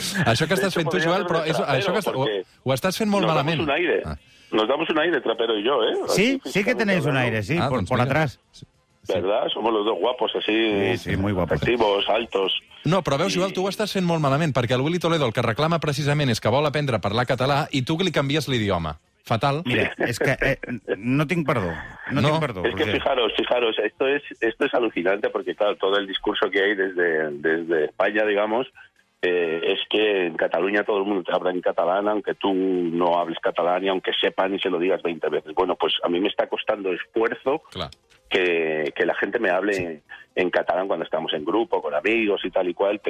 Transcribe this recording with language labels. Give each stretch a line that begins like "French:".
Catalan: Això que estàs fent tu, Joel, però és, això que estàs, ho estàs fent molt malament.
Spanish: Nos damos un aire, Trapero y yo, ¿eh? Sí, sí que tenéis un aire, sí, por atrás. ¿Verdad? Somos los dos guapos, así... Sí, muy guapos. Activos, altos.
Catalan: No, però veus, Joel, tu ho estàs fent molt malament, perquè el Willy Toledo el que reclama precisament és que vol aprendre a parlar català i tu li canvies l'idioma. Fatal. Mira, és que no tinc perdó. No tinc perdó.
Spanish: Es que fijaros, esto es alucinante porque, claro, todo el discurso que hay desde España, digamos, es que en Cataluña todo el mundo te habla en catalán, aunque tú no hables catalán y aunque sepan y se lo digas 20 veces. Bueno, pues a mí me está costando esfuerzo que la gente me hable en catalán cuando estamos en grupo, con amigos y tal y cual.